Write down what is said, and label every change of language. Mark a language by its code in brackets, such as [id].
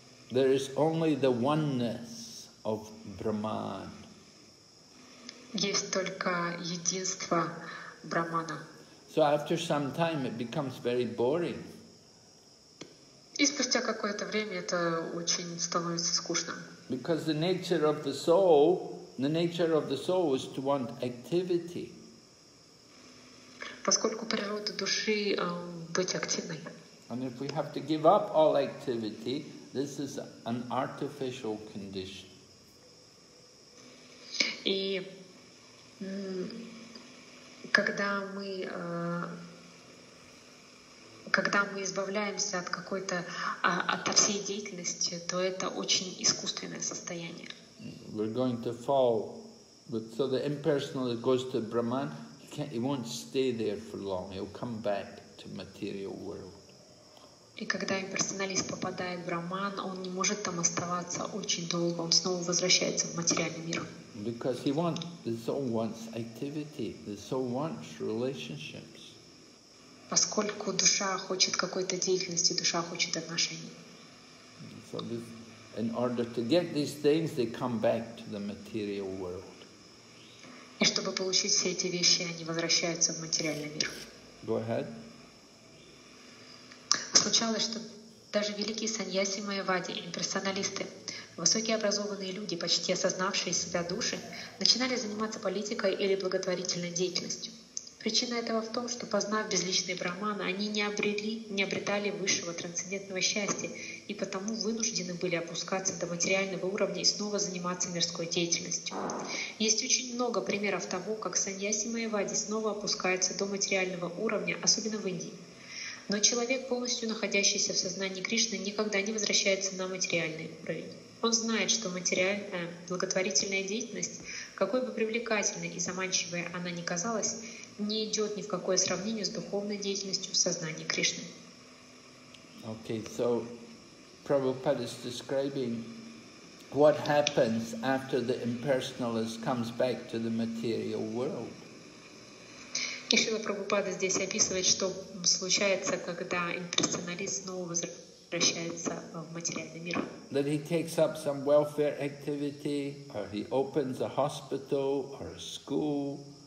[en] There is only the oneness of Brahman. [ru] Есть только единство Брахмана. [en] So after some time it becomes very boring. [ru] И спустя какое-то время это очень становится скучным. [en] Because the nature of the soul, is to want activity. [ru] Поскольку природа души быть активной. [en] And if we have to give up all activity, this is an artificial condition. [ru] И когда мы избавляемся от какой-то от всей деятельности, то это очень искусственное состояние. [en] We're going to fall, but so the impersonal that goes to Brahman, he won't stay there for long. He'll come back to material world. [ru] И когда имперсоналист попадает в Брахман, он не может там оставаться очень долго, он снова возвращается в материальный мир. [en] Because the soul wants activity, the soul wants relationships. [ru] Поскольку душа хочет какой-то деятельности, душа хочет отношений. [en] So in order to get these things, they come back to the material world. [ru] И чтобы получить все эти вещи, они возвращаются в материальный мир. [en] Go ahead. [ru] Случалось, что даже великие саньяси майявади, имперсоналисты, высокие образованные люди, почти осознавшие себя души, начинали заниматься политикой или благотворительной деятельностью. Причина этого в том, что, познав безличный Брахман, они не обретали высшего трансцендентного счастья и потому вынуждены были опускаться до материального уровня и снова заниматься мирской деятельностью. Есть очень много примеров того, как саньяси майявади снова опускаются до материального уровня, особенно в Индии. Но человек, полностью находящийся в сознании Кришны, никогда не возвращается на материальный уровень. Он знает, что материальная благотворительная деятельность, какой бы привлекательной и заманчивой она ни казалась, не идет ни в какое сравнение с духовной деятельностью в сознании Кришны. [en] Okay, so Prabhupada is describing what happens after the impersonalist comes back to the material world. [ru] И Шрила Прабхупада здесь описывает, что случается, когда имперсоналист снова возвращается в материальный мир. [en] That he takes up some welfare activity, or he opens a hospital, or a school.